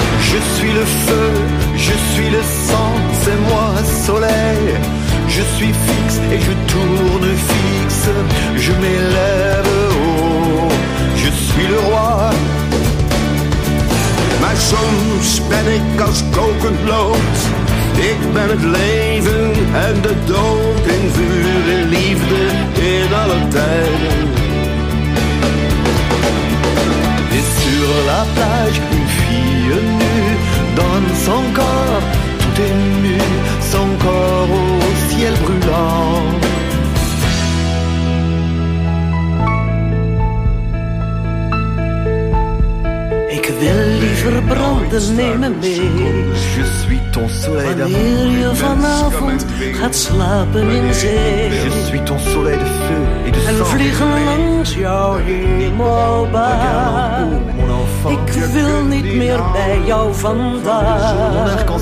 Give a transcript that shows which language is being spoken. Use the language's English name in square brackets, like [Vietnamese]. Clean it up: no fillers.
[French] Je suis le feu, je suis le sang, c'est moi, soleil. Je suis fixe et je tourne fixe, je m'élève haut. Je suis le roi. [Dutch] Maar soms ben ik als kokend lood. Ik ben het leven en de dood in vuur en liefde in alle tijden. [French] Et sur la plage, une fille nue donne son corps tout ému, son corps au ciel brûlant. [Dutch] Wil liever branden, neem me mee. [French] Je suis ton soleil d'amour. [Dutch] Wanneer je vanavond gaat slapen in zee. [French] Je suis ton soleil de feu et de sang. [Dutch] En vliegen langs jouw hemelbaan. Ik wil niet meer bij jou vandaan.